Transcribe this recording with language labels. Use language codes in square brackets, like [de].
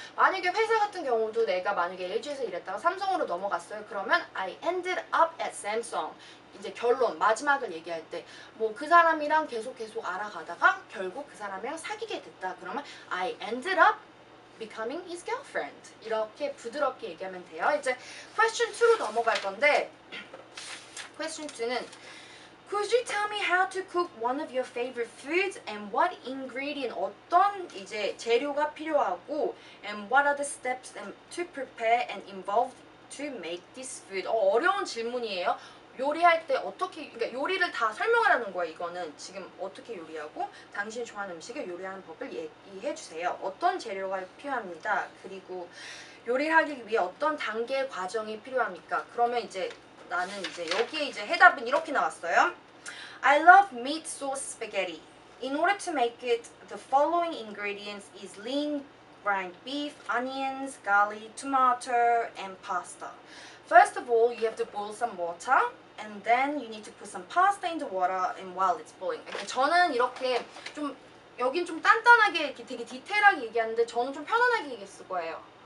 [ko] 만약에 회사 같은 경우도 내가 만약에 LG에서 일했다가 삼성으로 넘어갔어요. [en] 그러면 I ended up at Samsung. [ko] 이제 결론, 마지막을 얘기할 때 뭐 그 사람이랑 계속 알아가다가 결국 그 사람이랑 사귀게 됐다. [en] 그러면 I ended up becoming his girlfriend. [ko] 이렇게 부드럽게 얘기하면 돼요. 이제 question 2로 넘어갈 건데 question 2는 [en] Could you tell me how to cook one of your favorite foods and what ingredient [ko] 어떤 이제 재료가 필요하고 [en] and what are the steps to prepare and involved to make this food? [ko] 어려운 질문이에요. 요리할 때 어떻게 그러니까 요리를 다 설명하라는 거야 이거는 지금 어떻게 요리하고 당신 좋아하는 음식을 요리하는 법을 얘기해 주세요. 어떤 재료가 필요합니다. 그리고 요리하기 위해 어떤 단계의 과정이 필요합니까? 그러면 이제 나는 이제 여기에 이제 해답은 이렇게 나왔어요. [en] I love meat sauce spaghetti. In order to make it, the following ingredients is lean ground beef, onions, garlic, tomato, and pasta. First of all, you have to boil some water, and then you need to put some pasta in the water and while it's boiling. [ko] 저는 이렇게 좀 여긴 좀 단단하게 이렇게 되게 디테일하게 얘기하는데 저는 좀 편안하게 얘기했을 거예요.